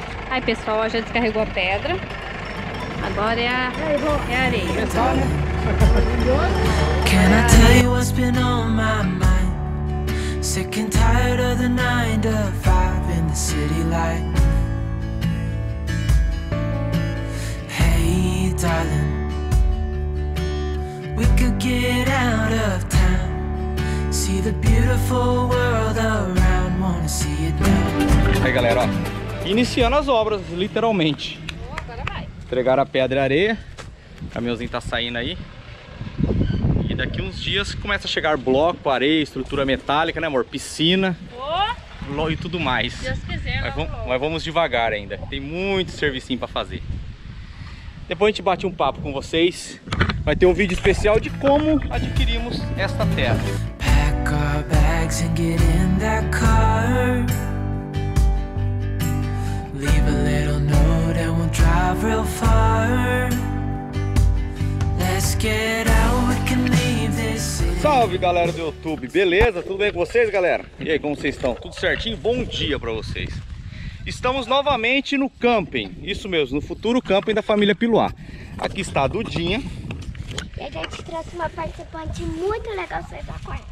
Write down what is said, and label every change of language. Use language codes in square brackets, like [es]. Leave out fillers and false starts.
[pt] Aí, pessoal, ó, já descarregou a pedra. Agora é a areia. [en] Can I tell you what's been on my mind? Sick and tired of the 9-to-5 in the city light. Darling, we could get out of town, see the beautiful world around, wanna see it now. [pt] Hey, galera, ó, iniciando as obras, literalmente. Agora vai. Entregaram a pedra e a areia. O caminhãozinho tá saindo aí. E daqui uns dias começa a chegar bloco, areia, estrutura metálica, né, amor? Piscina. E tudo mais. Deus quiser, mas vamos devagar ainda. Tem muito servicinho pra fazer. Depois a gente bate um papo com vocês. Vai ter um vídeo especial de como adquirimos esta terra. [en] Pack our bags and get in that car. Leave a little note and we'll drive real far. Let's get out, can leave this. [pt] Salve galera do YouTube, beleza? Tudo bem com vocês, galera? E aí, como vocês estão? Tudo certinho? Bom dia pra vocês. Estamos novamente no camping, isso mesmo, no futuro camping da família Piluá. Aqui está a Dudinha. E a gente trouxe uma participante muito legal, vocês acordam.